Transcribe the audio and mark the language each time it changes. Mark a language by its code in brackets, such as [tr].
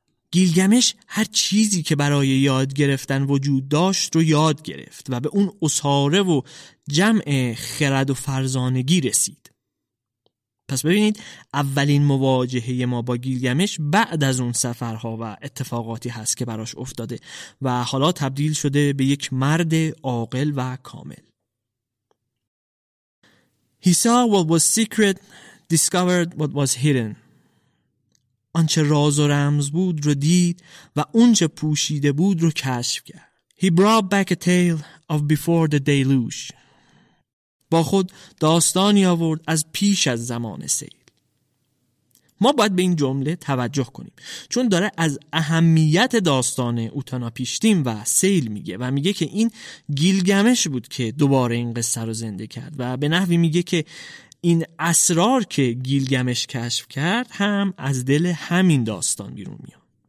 [fa] گیلگمش هر چیزی که برای یاد گرفتن وجود داشت رو یاد گرفت و به اون اساره و جمع خرد و فرزانگی رسید. پس ببینید اولین مواجهه ما با گیلگمش بعد از اون سفرها و اتفاقاتی هست که براش افتاده و حالا تبدیل شده به یک مرد عاقل و کامل. [en] He saw what was secret, discovered what was hidden. [fa] آنچه راز و رمز بود رو دید و اونچه پوشیده بود رو کشف کرد. [en] He brought back a tale of before the deluge. [fa] با خود داستانی آورد از پیش از زمان سیل. ما باید به این جمله توجه کنیم چون داره از اهمیت داستان اوتاناپیشتیم و سیل میگه و میگه که این گیلگمش بود که دوباره این قصه رو زنده کرد و به نحوی میگه که این اسرار که گیلگمش کشف کرد هم از دل همین داستان بیرون میاد.